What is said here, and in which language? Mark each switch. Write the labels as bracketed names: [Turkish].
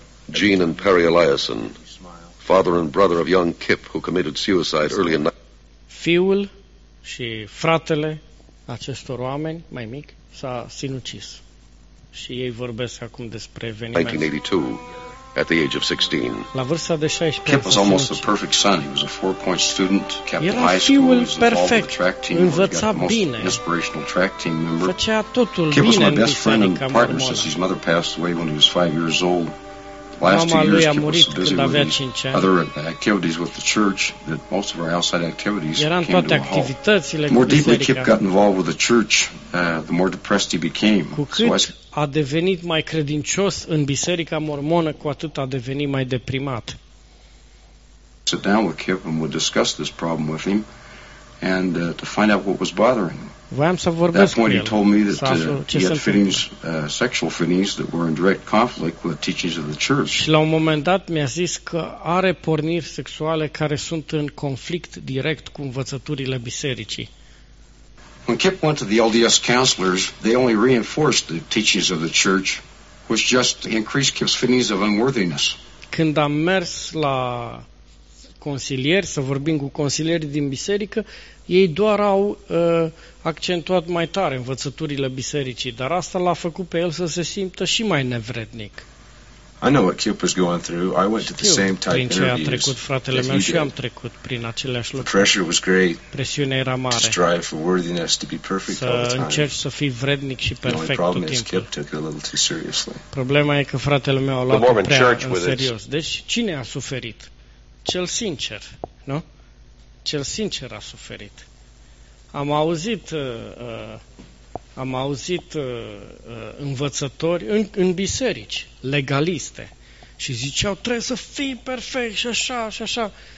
[English] Gene and Perry Eliason, father and brother of young Kip, who committed suicide early in. [Romanian] Fiul și fratele acestor oameni mai mic s-a sinucis. Și ei vorbesc acum despre evenimente. [English] 1982, at the age of 16. [Romanian] La vârsta de 16. [English] Kip was almost the perfect son. He was a 4-point student, captain of high school, was involved with the track team, [Romanian] învăța bine. [English] Inspirational track team member. [Romanian] Făcea totul [English] Kip [Romanian] bine. [English] Kip was my best friend and partner since his mother passed away when he was 5 years old. [Romanian] Mama lui a murit când avea 5 ani. [English] Other activities with the church that most of our outside activities. [Romanian] Eram toate activitățile cu biserica. [English] More deeply Kip got involved with the church, the more depressed he became. [Romanian] Cu cât a devenit mai credincios în biserica mormonă, cu atât a devenit mai deprimat. [English] Sit down with Kip and we'll discuss this problem with him and to find out what was bothering him. [Romanian] Voiam să vorbesc cu el. [English] He told me that he had feelings, sexual feelings that were in direct conflict with the teachings of the church. [Romanian] Și la un moment dat mi-a zis că are porniri sexuale care sunt în conflict direct cu învățăturile bisericii. [English] When Kip went to the LDS counselors, they only reinforced the teachings of the church, which just increased Kip's feelings of unworthiness. [Romanian] Când am mers la consilieri, să vorbim cu consilierii din biserică, ei doar au accentuat mai tare învățăturile bisericii, dar asta l-a făcut pe el să se simtă și mai nevrednic. [English] I know what Kip was going through. I went to the same type [Romanian] prin ce a trecut fratele meu și eu am trecut prin aceleași lucruri. [English] Pressure was great. [Romanian] Presiunea era mare. [English] To strive for worthiness, to be perfect all the time. [Romanian] Să încerci să fii vrednic și perfect tot timpul. [English] The only problem is Kip took it a little too seriously. [Romanian] Problema e că fratele meu a luat-o prea în serios. Deci cine a suferit? Cel sincer, nu? Cel sincer a suferit. Am auzit învățători în biserici, legaliste, și ziceau, trebuie să fii perfect și așa, și așa.